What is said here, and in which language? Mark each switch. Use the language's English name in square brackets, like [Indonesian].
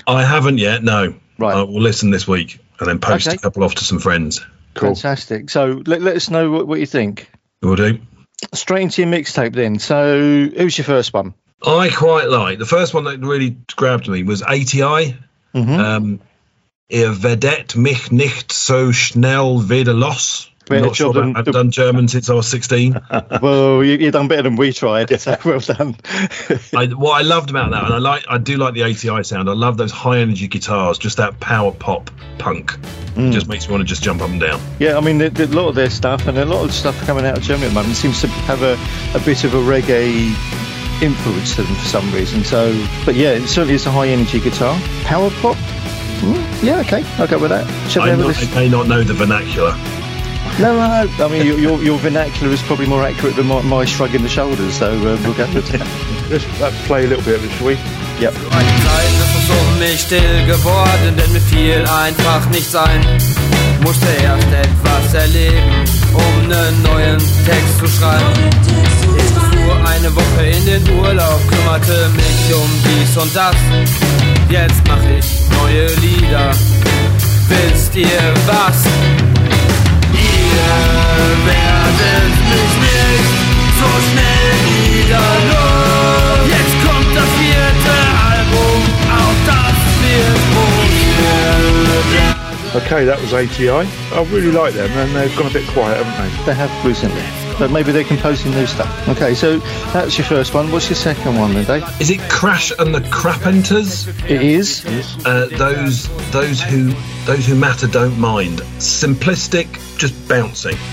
[English] I haven't yet, no. Right. We'll listen this week and then post a couple off to some friends. Cool. Fantastic. So let us know what you think. Will do. Straight into your mixtape then. So who's your first one? I quite like the first one that really grabbed me was ATI. Mm-hmm. [German] Ihr werdet mich nicht so schnell wieder los. [English] I've done German since I was 16. Well, you've done better than we tried. So well done. What I loved about that, and I do like the ATI sound. I love those high energy guitars, just that power pop punk. Mm. It just makes me want to just jump up and down. Yeah, I mean, a lot of their stuff and a lot of stuff coming out of Germany at the moment seems to have a bit of a reggae influence to them for some reason. So, but yeah, it certainly is a high energy guitar. Power pop? Mm, yeah, okay. I'll go with that. I may not know the vernacular. No. I mean, your vernacular is probably more accurate than my shrugging the shoulders, so we'll get to that. Let's play a little bit of it, shall we? Yep. [German] Eine Zeit ist es um mich still geworden, denn mir fiel einfach nicht sein. Musste erst etwas erleben, um einen neuen Text zu schreiben. Ich fuhr eine Woche in den Urlaub, kümmerte mich um dies und das. Jetzt mach ich neue Lieder, wisst ihr was? Werdet mich nicht so schnell wieder los. Jetzt kommt das vierte Album, auf das wir wohnen. [English] Okay, that was ATI. I really like them, and they've gone a bit quiet, haven't they? They have recently. But maybe they're composing new stuff. Okay, so that's your first one. What's your second one, then, Dave? Is it Crash and the Crapenters? It is. Those who matter don't mind. Simplistic, just bouncing.